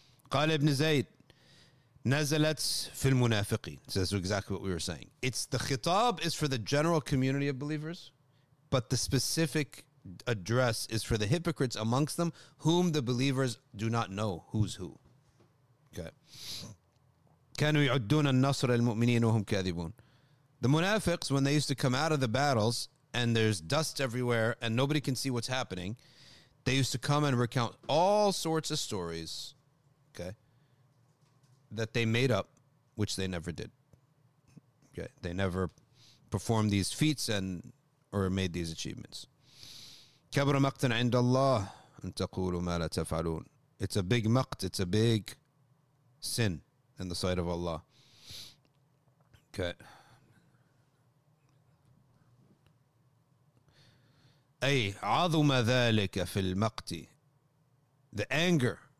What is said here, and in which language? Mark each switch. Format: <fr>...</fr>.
<ar>Qala ibn Zayd, nazalat fil munafiqin.</ar> <en>So that's exactly what we were saying. It's the khitab is for the general community of believers, but the specific address is for the hypocrites amongst them, whom the believers do not know who's who. Okay.</en> <ar>كانوا يعدون النصر المؤمنين وهم كاذبون.</ar> <en>The munafiqs, when they used to come out of the battles and there's dust everywhere and nobody can see what's happening, they used to come and recount all sorts of stories, okay, that they made up, which they never did. Okay, they never performed these feats and or made these achievements.</en> <ar>كبر مقت عند الله أن تقولوا ما لا تفعلون.</ar> <en>It's a big maqt, it's a big sin in the sight of Allah. Okay.</en> <ar>أي عظم ذلك في المقت.</ar> <en>The anger.</en>